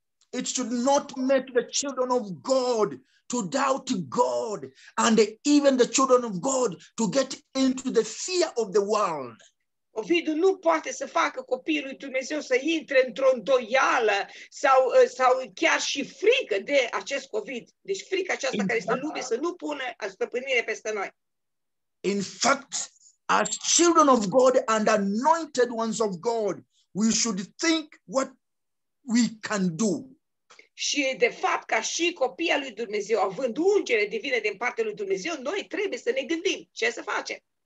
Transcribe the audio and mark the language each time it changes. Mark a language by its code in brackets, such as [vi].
[en] It should not make the children of God to doubt God and even the children of God to get into the fear of the world. [ro] COVID nu poate să facă copiii lui Dumnezeu să intre într-o îndoială sau chiar și frică de acest COVID. Deci frica aceasta care este în lume să nu pune stăpânire peste noi. [en] In fact, as children of God and anointed ones of God, we should think what we can do. [ro] Și de fapt, ca și copii al lui Dumnezeu, având ungere divină din partea lui Dumnezeu, noi trebuie să ne gândim ce să facem.